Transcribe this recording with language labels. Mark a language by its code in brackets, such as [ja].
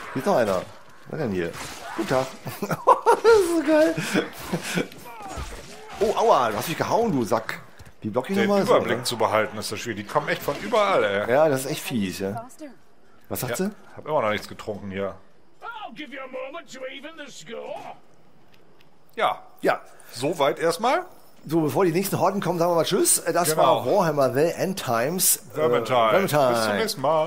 [de] Hier ist noch einer. Was denn hier? Guten Tag. Das ist so geil. Oh, aua, du hast mich gehauen, du Sack. Wie block ich nochmal? Den Überblick zu behalten ist das schwierig. Die kommen echt von überall, ey. Ja, das ist echt fies, ja. Was sagt sie? Hab immer noch nichts getrunken hier. [en] I'll give you a moment to even the score. [de] Ja. Ja. Soweit erstmal. So, bevor die nächsten Horden kommen, sagen wir mal Tschüss. Das war Warhammer The End Times. Vermintide. Bis zum nächsten Mal.